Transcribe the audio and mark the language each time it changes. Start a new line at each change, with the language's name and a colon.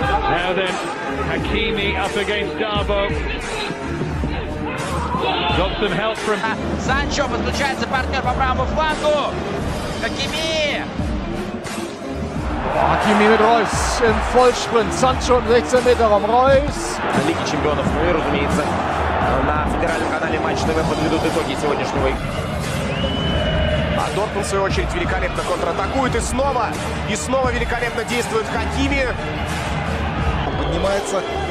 English: Now then, Hakimi up against Darbo. Got some help from Sancho.
Russian: Подключается партнер по правому флангу.
German: Hakimi. Hakimi mit Reus im Vollsprint. Sancho im 16 Meter Raum. Reus.
Russian: Лиги чемпионов, ну и разумеется, на федеральном канале Матч ТВ подведут итоги сегодняшнего. А Дортмунд, в свою очередь, великолепно контратакует и снова великолепно действует Hakimi. Он поднимается.